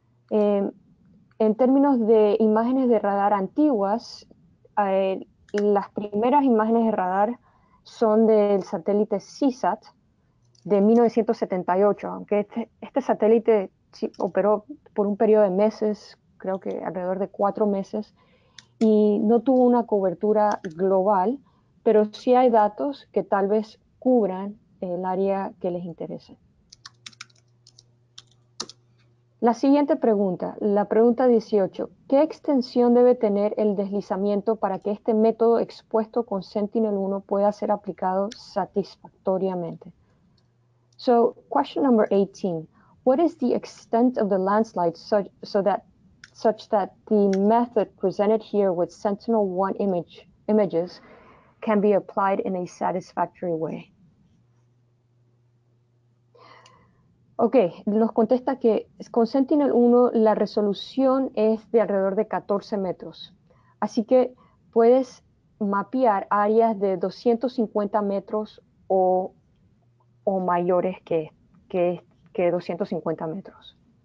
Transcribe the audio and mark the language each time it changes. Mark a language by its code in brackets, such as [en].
[es] En términos de imágenes de radar antiguas, las primeras imágenes de radar son del satélite CSAT de 1978, aunque este satélite sí, operó por un periodo de meses, creo que alrededor de 4 meses, y no tuvo una cobertura global, pero sí hay datos que tal vez cubran el área que les interese. La siguiente pregunta, la pregunta 18, ¿qué extensión debe tener el deslizamiento para que este método expuesto con Sentinel-1 pueda ser aplicado satisfactoriamente? [en] So, question number 18, what is the extent of the landslide such that the method presented here with Sentinel-1 images can be applied in a satisfactory way? [es] Ok, nos contesta que con Sentinel-1 la resolución es de alrededor de 14 metros. Así que puedes mapear áreas de 250 metros o mayores que 250 metros.